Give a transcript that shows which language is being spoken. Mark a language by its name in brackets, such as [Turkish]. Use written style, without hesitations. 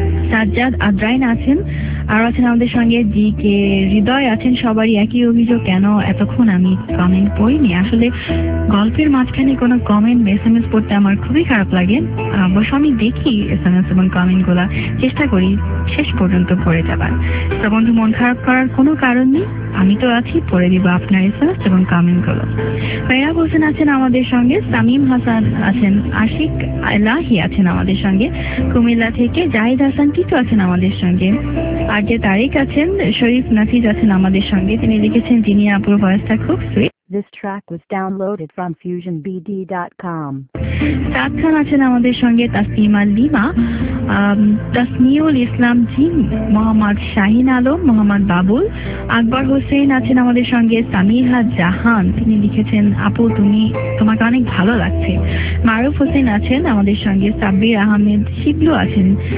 [Bangla] সাজ্জাদ আদ্রাইন আছেন, আর আছেন আমাদের সঙ্গে জি কে হৃদয় আছেন, সবারই একই অভিযোগ কেন এতক্ষণ আমি কমেন্ট পড়িনি, আসলে গল্পের মাঝখানে কোনো কমেন্ট এসএমএস পড়তে আমার খুবই খারাপ লাগে, অবশ্য আমি দেখি এসএমএস এবং কমেন্টগুলো, চেষ্টা করি শেষ পর্যন্ত পড়ে যাবার, তো বন্ধু মন খারাপ করার কোনো কারণ নেই, আমি তো আছি, পড়ে দিব আপনার এসএমএস এবং কমেন্টগুলো। ফেরা হোসেন আছেন আমাদের সঙ্গে, সামিম হাসান আছেন, আশিক এলাহি আছেন আমাদের সঙ্গে কুমিল্লা থেকে, জাহিদ হাসান টিটু আছেন আমাদের সঙ্গে, আর যে তারিক আছেন, শরীফ নাফিজ আছেন আমাদের সঙ্গে, তিনি লিখেছেন যিনি আপুর ভয়েসটা খুব sweet. [English] This track was downloaded from fusionbd.com. [Bangla] সাথে আছেন আমাদের সঙ্গে তাসিমা লিমা, তাসমিউল ইসলাম জিম, মোহাম্মদ শাহিন আলম, মোহাম্মদ বাবুল, আকবর হোসেন আছেন আমাদের সঙ্গে, সামিহা জাহান, তিনি লিখেছেন আপু তুমি, তোমাকে অনেক ভালো লাগছে, মারুফ হোসেন আছেন আমাদের সঙ্গে, সাব্বির আহমেদ শিবলু আছেন,